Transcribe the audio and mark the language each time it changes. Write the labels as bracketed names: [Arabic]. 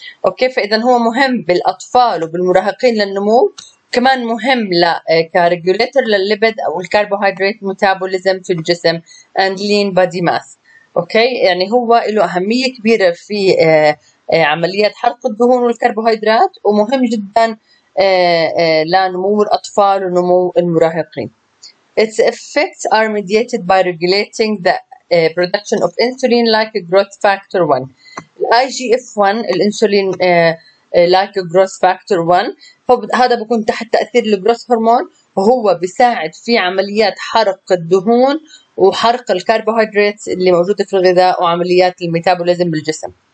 [Arabic] اوكي، فاذا هو مهم بالاطفال وبالمراهقين للنمو، كمان مهم كريجوليتر للليبيد او الكربوهيدرات ميتابوليزم في الجسم [English] And lean body mass. [Arabic] اوكي، يعني هو له اهميه كبيره في عمليات حرق الدهون والكربوهيدرات، ومهم جدا لنمو الأطفال ونمو المراهقين. [English] Its effects are mediated by regulating the production of insulin like growth factor 1. [Arabic] IGF-1 الانسولين like growth factor 1، هذا بيكون تحت تأثير الجروث هرمون، وهو بيساعد في عمليات حرق الدهون وحرق الكربوهيدرات اللي موجودة في الغذاء وعمليات الميتابوليزم بالجسم.